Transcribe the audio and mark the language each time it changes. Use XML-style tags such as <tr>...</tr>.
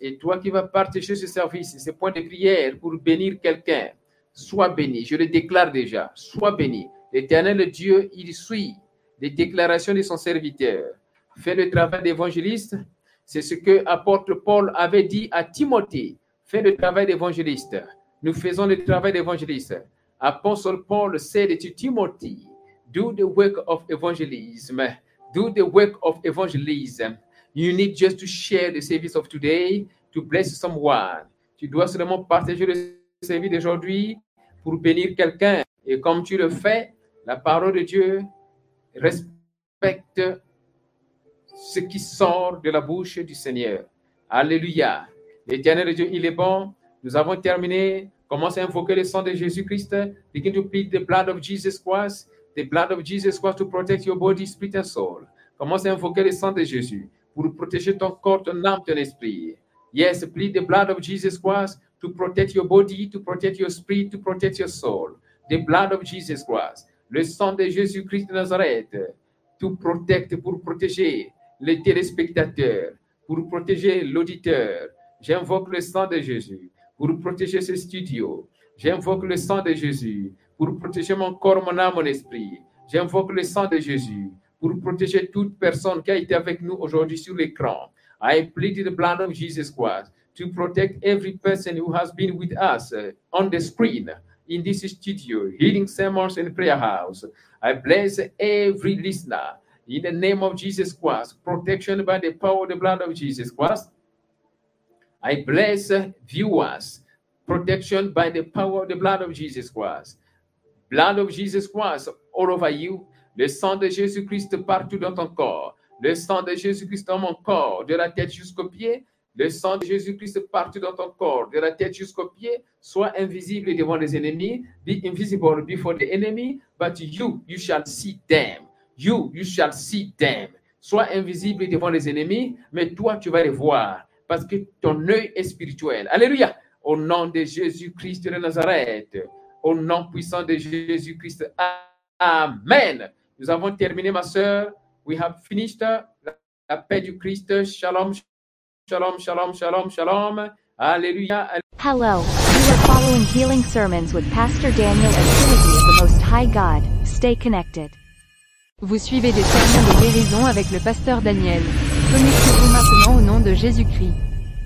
<fr>Et toi qui vas partager ce service, ce point de prière pour bénir quelqu'un, sois béni. Je le déclare déjà. Sois béni. L'Éternel Dieu, il suit les déclarations de son serviteur. Fais le travail d'évangéliste. C'est ce que l'apôtre Paul avait dit à Timothée. Fais le travail d'évangéliste. Nous faisons le travail d'évangéliste.</fr> <en>Apostle Paul said to Timothy, do the work of evangelism. Do the work of evangelism. You need just to share the service of today to bless someone.</en> <fr>Tu dois seulement partager le service d'aujourd'hui pour bénir quelqu'un. Et comme tu le fais, la parole de Dieu respecte ce qui sort de la bouche du Seigneur. Alléluia. Éternel Dieu, il est bon. Nous avons terminé. Commence à invoquer le sang de Jésus-Christ.</fr> <en>Begin to plead the blood of Jesus Christ. the blood of Jesus Christ to protect your body, spirit and soul.</en> <fr>Commence à invoquer le sang de Jésus pour protéger ton corps, ton âme, ton esprit.</fr> <en>Yes, plead the blood of Jesus Christ to protect your body, to protect your spirit, to protect your soul. The blood of Jesus Christ.</en> <fr>Le sang de Jésus-Christ de Nazareth.</fr> <en>To protect,</en> <fr>pour protéger les téléspectateurs, pour protéger l'auditeur. J'invoque le sang de Jésus pour protéger ce studio. J'invoque le sang de Jésus pour protéger mon corps, mon âme, mon esprit. J'invoque le sang de Jésus pour protéger toute personne qui a été avec nous aujourd'hui sur l'écran.</fr> <en>I plead the blood of Jesus Christ to protect every person who has been with us on the screen in this studio, Healing Sermons and Prayer House. I bless every listener in the name of Jesus Christ, protection by the power of the blood of Jesus Christ. I bless viewers, protection by the power of the blood of Jesus Christ. Blood of Jesus Christ all over you.</en> <fr>Le sang de Jésus Christ partout dans ton corps. Le sang de Jésus Christ dans mon corps, de la tête jusqu'aux pieds. Le sang de Jésus Christ partout dans ton corps, de la tête jusqu'aux pieds. Sois invisible devant les ennemis.</fr> <en>Be invisible before the enemy, but you shall see them. You shall see them.</en> <fr>Sois invisible devant les ennemis, mais toi, tu vas les voir. Parce que ton œil est spirituel. Alléluia. Au nom de Jésus-Christ de Nazareth. Au nom puissant de Jésus-Christ. Amen. Nous avons terminé, ma sœur.</fr> <en>We have finished.</en> <fr>La paix du Christ. Shalom. Shalom, shalom, shalom, shalom. Alléluia.</fr> <en>Hello. You are following Healing Sermons with Pastor Daniel and Trinity of the Most High God. Stay connected.</en> <fr>Vous suivez des sermons de guérison avec le pasteur Daniel. Connectez-vous maintenant au nom de Jésus-Christ.</fr>